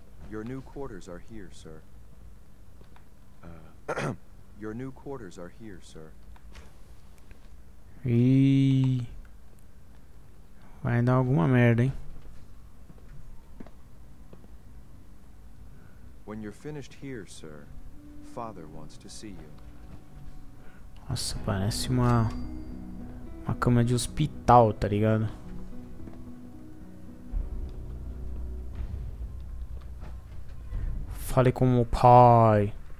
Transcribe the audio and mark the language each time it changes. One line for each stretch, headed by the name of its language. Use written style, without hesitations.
English: Your new quarters are here, sir. Your new quarters are here, sir.
Portuguese: E vai dar alguma merda, hein?
English: When you're finished here, sir, father wants to see you.
Portuguese: Nossa, parece uma cama de hospital, tá ligado? Falei com o pai.